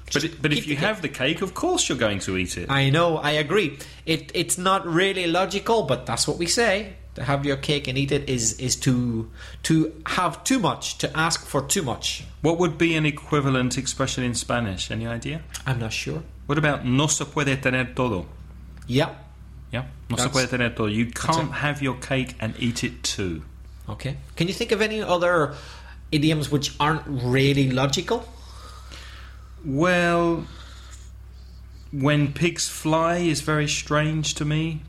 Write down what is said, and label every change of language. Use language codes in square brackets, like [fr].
[en] But if you have the cake, of course you're going to eat it. I know. I agree. It's not really logical, but that's what we say. To have your cake and eat it is to have too much, to ask for too much. What would be an equivalent expression in Spanish? Any idea? I'm not sure. What about [es] no se puede tener todo? [en] Yeah. [es] Yeah. No se puede tener todo. [en] You can't have your cake and eat it too. Okay. Can you think of any other idioms which aren't really logical? Well, when pigs fly is very strange to me.